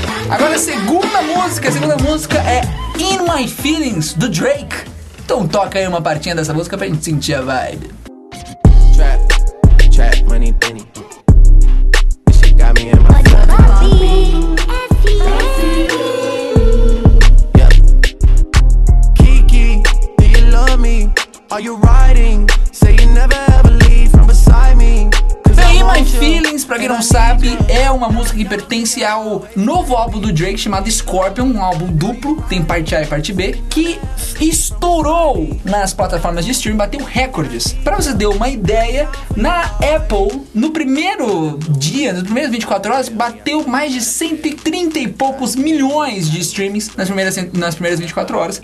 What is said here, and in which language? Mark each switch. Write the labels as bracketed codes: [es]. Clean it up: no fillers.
[pt] Agora a segunda música é In My Feelings, do Drake. Então toca aí uma partinha dessa música pra gente sentir a vibe. [en] Trap, trap, money, penny. She got me in my feelings. Yeah. Kiki, do you love me? Are you riding? Say you never ever leave from beside me. [pt] My Feelings, pra quem não sabe, é uma música que pertence ao novo álbum do Drake chamado Scorpion, um álbum duplo, tem parte A e parte B, que estourou nas plataformas de streaming, bateu recordes. Pra você ter uma ideia, na Apple, no primeiro dia, nos primeiros 24 horas, bateu mais de 130 e poucos milhões de streamings nas primeiras 24 horas.